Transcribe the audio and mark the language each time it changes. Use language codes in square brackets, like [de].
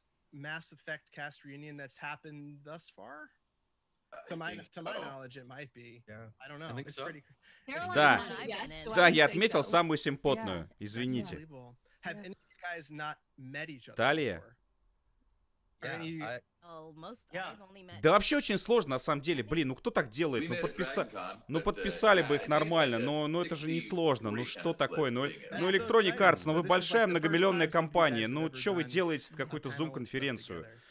[en] Mass Effect cast reunion that's happened thus far? To my knowledge, it might be. Yeah. I don't know. I think it's so. Pretty... [ru] Да, да, я отметил самую симпотную. Yeah. Извините. [en] Have any of you guys not met each other? [ru] Талия. Да вообще очень сложно, на самом деле. Блин, ну кто так делает? Ну подписали бы их нормально. Но это же не сложно. Ну что такое? Ну Electronic Arts, ну вы большая многомиллионная компания. Ну что вы делаете какую-то зум-конференцию?